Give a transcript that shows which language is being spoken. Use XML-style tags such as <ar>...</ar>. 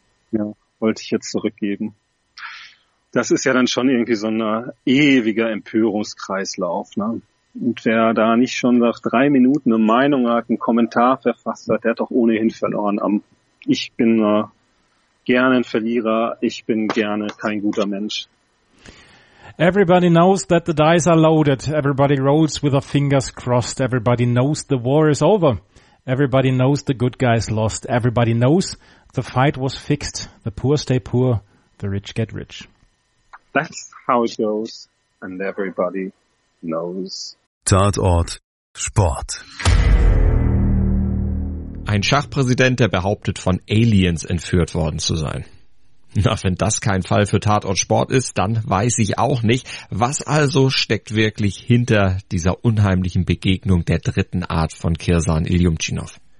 <de>Ja, wollte ich jetzt zurückgeben. Das ist ja dann schon irgendwie so ein ewiger Empörungskreislauf, ne? Und wer da nicht schon nach 3 Minuten eine Meinung hat, einen Kommentar verfasst hat, der hat doch ohnehin verloren. Ich bin gerne ein Verlierer, ich bin gerne kein guter Mensch.</de> <en>Everybody knows that the dice are loaded. Everybody rolls with their fingers crossed. Everybody knows the war is over. Everybody knows the good guys lost. Everybody knows the fight was fixed. The poor stay poor, the rich get rich. That's how it goes, and everybody knows.</en> <de>Tatort Sport. Ein Schachpräsident, der behauptet, von Aliens entführt worden zu sein. Na, wenn das kein Fall für Tatort Sport ist, dann weiß ich auch nicht. Was also steckt wirklich hinter dieser unheimlichen Begegnung der dritten Art von Kirsan Iljumtschinov?</de>